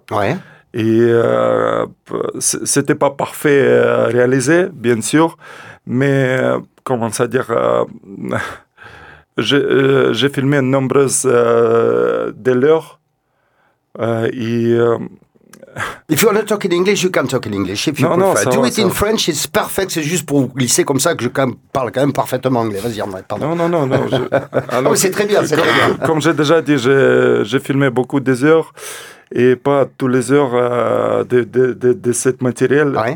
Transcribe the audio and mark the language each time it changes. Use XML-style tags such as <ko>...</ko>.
<fr>Ouais. Et c'était pas parfait à réaliser, bien sûr, mais comment ça dire, j'ai filmé nombreuses de l'heure et</fr> <en>If you're not talking English, you can talk in English. If you prefer, do it in French. It's perfect.</en> <fr>C'est juste pour vous glisser comme ça que je parle quand même parfaitement anglais. Vas-y, André. Pardon. Non. Alors, c'est très bien. C'est comme, très bien. Comme j'ai déjà dit, j'ai filmé beaucoup des heures et pas tous les heures de cette matériel</fr>